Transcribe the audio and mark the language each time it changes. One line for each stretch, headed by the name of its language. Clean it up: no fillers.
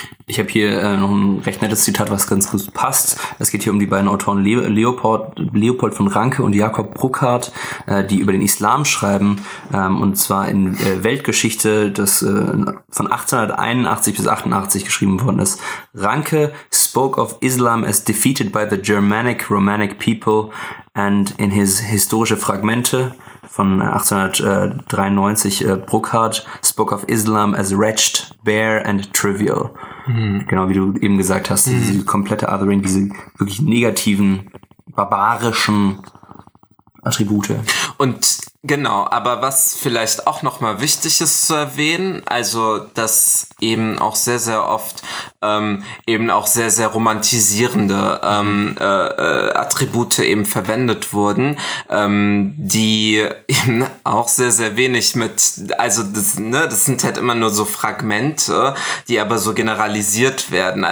German: Ich habe hier noch ein recht nettes Zitat, was ganz gut passt. Es geht hier um die beiden Autoren Leopold von Ranke und Jakob Bruckhardt, die über den Islam schreiben, und zwar in Weltgeschichte, das von 1881 bis 88 geschrieben worden ist.
English: Ranke spoke of Islam as defeated by the Germanic Romanic people and in his historische Fragmente von 1893, Bruckhardt spoke of Islam as wretched, bare and trivial.
German: Genau wie du eben gesagt hast, diese komplette Othering, diese wirklich negativen, barbarischen Attribute. Und genau, aber was vielleicht auch nochmal wichtig ist zu erwähnen, also dass eben auch sehr, sehr oft eben auch sehr, sehr romantisierende Attribute eben verwendet wurden, die eben auch sehr, sehr wenig mit, also das, ne, das sind halt immer nur so Fragmente, die aber so generalisiert werden.